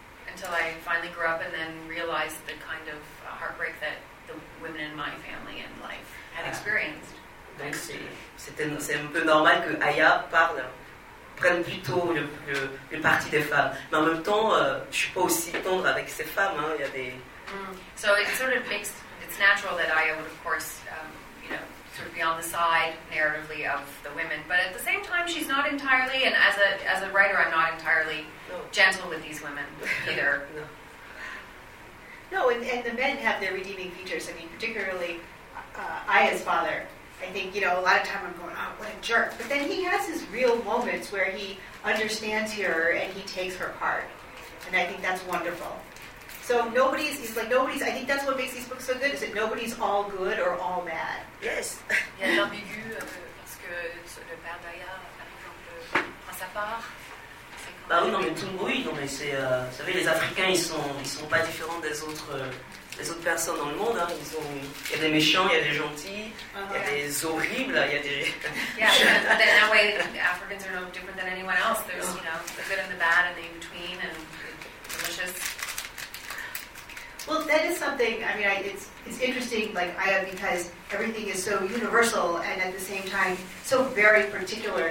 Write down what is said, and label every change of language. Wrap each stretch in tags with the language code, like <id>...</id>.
<en>Until I finally grew up and then realized the kind of heartbreak that the women in my family and life had experienced.</en> <fr>Donc c'est un peu normal que Aya prenne plutôt le parti des femmes. Mais en même temps, je suis pas aussi tendre avec ces femmes. Hein. Il y a des.</fr> <en>So it sort of makes it's natural that Aya would of course, you know, sort of be on the side narratively of the women. But at the same time, she's not entirely, and as a writer, I'm not entirely gentle with these women either. No. No, and the men have their redeeming features. I mean, particularly I as father, I think, you know, a lot of time I'm going, oh, what a jerk. But then he has his real moments where he understands her and he takes her part. And I think that's wonderful. So nobody's, he's like, nobody's, I think that's what makes these books so good, is that nobody's all good or all bad. Yes.</en> <fr>Il y a de l'ambigu, parce que le père d'Aya, par exemple, prend sa part. Bah oui, non, mais tout, oui, non, mais c'est, vous savez, les Africains, ils sont pas différents des autres personnes dans le monde, hein. Ils ont, il y a des méchants, il y a des gentils, il y a des horribles, il y a des.</fr> <en>Yeah, but then that way, Africans are no different than anyone else. There's, you know, the good and the bad and the in between and delicious. Well, that is something. I mean, it's interesting, like Aya, because everything is so universal and at the same time so very particular.</en>